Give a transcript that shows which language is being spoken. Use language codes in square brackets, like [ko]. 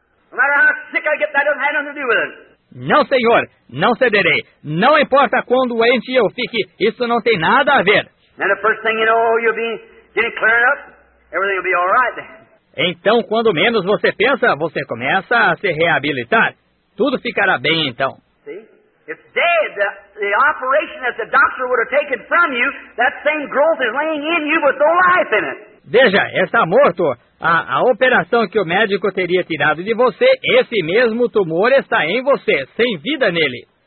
[en] No matter how sick I get, that doesn't have nothing to do with it. [pt] Não, senhor, não cederei. Não importa quão doente eu fique, isso não tem nada a ver. [en] And the first thing you know, you'll be getting cleared up. Everything will be all right then. [pt] Então, quando menos você pensa, você começa a se reabilitar. Tudo ficará bem então. [en] See? It's dead. The operation that the doctor would have taken from you, that same growth is laying in you with no life in it. [pt] Veja, está morto. A operação que o médico teria tirado de você, esse mesmo tumor está em você, sem vida nele.